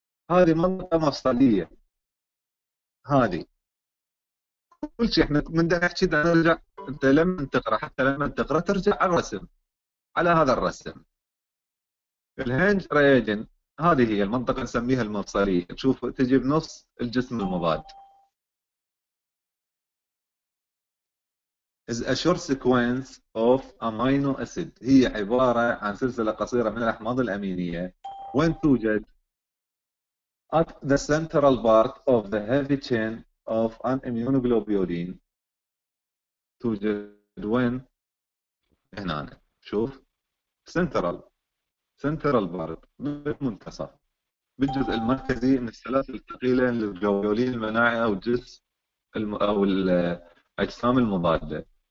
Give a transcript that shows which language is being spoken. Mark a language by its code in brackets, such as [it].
[ar] هذه منطقة مفصلية، هذه كل شيء احنا من ده نحكي ده نرجع، انت لما تقرأ حتى لما تقرأ ترجع على الرسم، على هذا الرسم الهنج ريجن هذه هي المنطقة نسميها المفصلية، تشوف تجي بنص الجسم المضاد. [en] is a short sequence of amino acid، [ar] هي عبارة عن سلسلة قصيرة من الأحماض الأمينية. [en] when توجد at the central part of the heavy chain of an immunoglobulin، [ar] توجد وين؟ هنا أنا. شوف central part بالمنتصف بالجزء المركزي من السلاسل الثقيلة للجلوبيولين المناعي أو جزء أو الأجسام المضادة.